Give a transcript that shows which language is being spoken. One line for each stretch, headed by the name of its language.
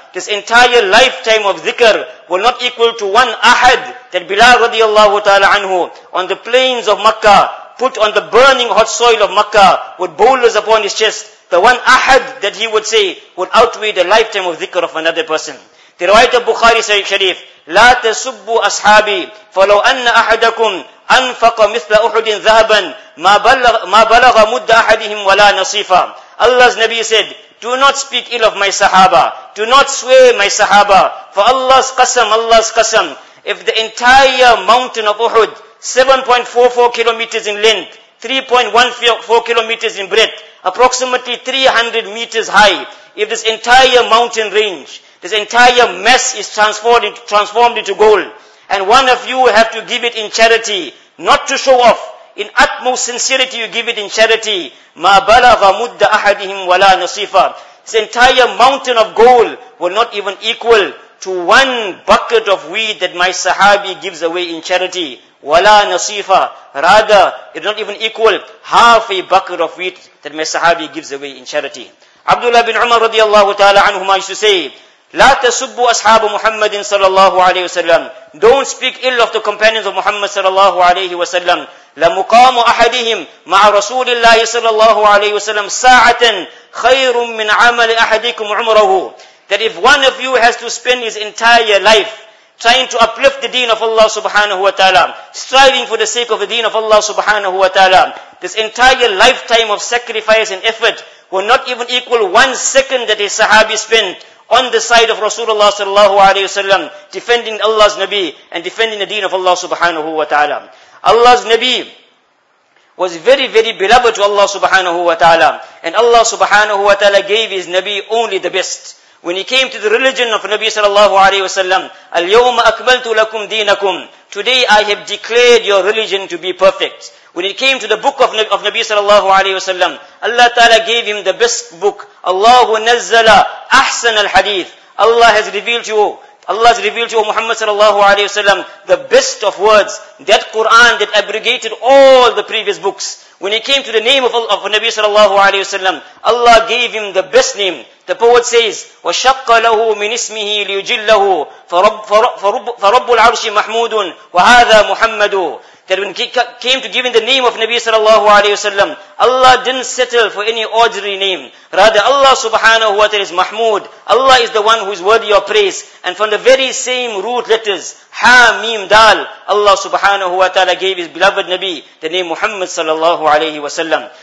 English: This entire lifetime of dhikr will not equal to one ahad that Bilal radiallahu ta'ala anhu on the plains of Makkah, put on the burning hot soil of Makkah with boulders upon his chest. The one ahad that he would say would outweigh the lifetime of dhikr of another person. The riwayat of Bukhari Sharif,
Arabic: لَا تَسُبُّوا أَصْحَابِي فَلَوْ أَنَّ أَحَدَكُمْ أَنْفَقَ مِثْلَ أُحُدٍ ذَهَبًا مَا بَلَغَ مُدَّ أَحَدِهِمْ وَلَا نَصِيفًا.
English: Allah's Nabi said, do not speak ill of my Sahaba. Do not sway my Sahaba. For Allah's Qasam, if the entire mountain of Uhud, 7.44 kilometers in length, 3.14 kilometers in breadth, approximately 300 meters high, if this entire mountain range, this entire mess is transformed into gold, and one of you have to give it in charity, not to show off, in utmost sincerity you give it in charity,
Arabic: مَا بَلَغَ مُدَّ أَحَدِهِمْ وَلَا نَصِيفًا.
English: This entire mountain of gold will not even equal to one bucket of weed that my Sahabi gives away in charity.
Arabic: وَلَا نَصِيفًا.
English: Rather, it will not even equal half a bucket of wheat that my Sahabi gives away in charity. Abdullah bin Umar radiallahu ta'ala anhuma used to say,
Arabic: لا تسبوا أصحاب محمد صلى الله عليه وسلم.
English: Don't speak ill of the companions of Muhammad صلى الله عليه وسلم.
Arabic: لمقام أحدهم مع رسول الله صلى الله عليه وسلم ساعة خير من عمل أحدكم عمره.
English: That if one of you has to spend his entire life trying to uplift the deen of Allah subhanahu wa ta'ala, striving for the sake of the deen of Allah subhanahu wa ta'ala, this entire lifetime of sacrifice and effort will not even equal 1 second that his sahabi spent on the side of Rasulullah sallallahu alayhi wa sallam, defending Allah's Nabi and defending the deen of Allah subhanahu wa ta'ala. Allah's Nabi was very, very beloved to Allah subhanahu wa ta'ala. And Allah subhanahu wa ta'ala gave his Nabi only the best. When he came to the religion of Nabi sallallahu alayhi wa sallam,
Arabic: الْيَوْمَ أَكْمَلْتُ لَكُمْ دِينَكُمْ.
English: Today I have declared your religion to be perfect. When it came to the book of Nabi sallallahu alayhi wa sallam, Allah ta'ala gave him the best book.
Arabic: Allahu nazzala ahsan al hadith.
English: Allah has revealed to you, Muhammad sallallahu alayhi wa sallam, the best of words. That Quran that abrogated all the previous books. When it came to the name of Nabi sallallahu alayhi wa sallam, Allah gave him the best name. The poet says,
Arabic: وَشَقَّ لَهُ مِنْ إِسْمِهِ لِيُجِلَّهُ فَرَبُّ الْعَرْشِ مَحْمُودٌ وَهَذَا مُحَمَّدُ.
English: That when he came to giving the name of Nabi sallallahu alayhi wa sallam, Allah didn't settle for any ordinary name. Rather, Allah subhanahu wa ta'ala is Mahmud. Allah is the one who is worthy of praise. And from the very same root letters, Ha, Mim, Dal, Allah subhanahu wa ta'ala gave his beloved Nabi the name Muhammad sallallahu alayhi wa sallam.